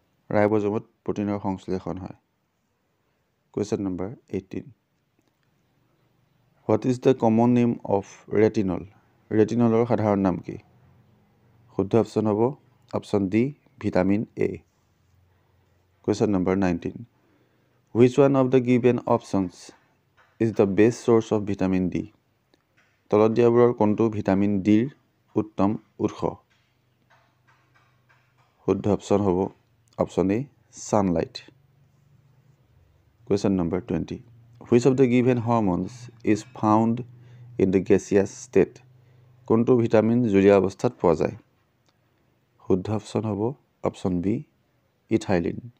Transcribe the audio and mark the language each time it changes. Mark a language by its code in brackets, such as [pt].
[as] ৰাইবজমত প্ৰটিনৰ সংশ্লেষণ হয় [en] question number 18 what is the common name of retinol [as] ৰেটিনলৰ সাধাৰণ নাম কি শুদ্ধ অপচন হ'ব option D vitamin A [en] Question number 19. Which one of the given options is the best source of vitamin D? [as] তলত দিয়াবোৰৰ কোনটো ভিটামিন ডিৰ উত্তম উৎস শুদ্ধ অপচন হ'ব option A sunlight [en] Question number 20. Which of the given hormones is found in the gaseous state? [as] কোনটো vitamin জুলীয়া অৱস্থাত পোৱা যায় শুদ্ধ অপচন হ'ব অপচন বি ইথাইলিন